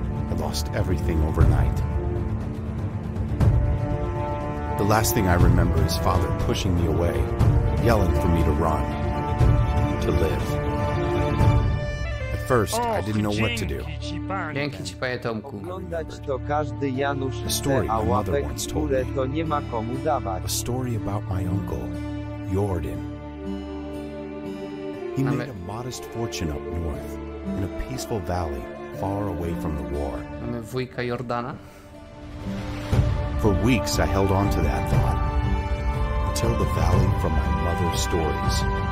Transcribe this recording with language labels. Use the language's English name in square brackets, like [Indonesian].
[English] I lost everything overnight. The last thing I remember is father pushing me away, yelling for me to run, to live. First, I didn't know what to do. [Polish] Dzięki ci, panie Tomku. Oglądać to każdy Janusz chce, a łapek w górę to nie ma komu dawać. [English] A story about my uncle, Jordan. He made a modest fortune up north, in a peaceful valley, far away from the war. [Polish] Mamy wujka Jordana. [English] For weeks, I held on to that thought. Until the valley from my mother's stories.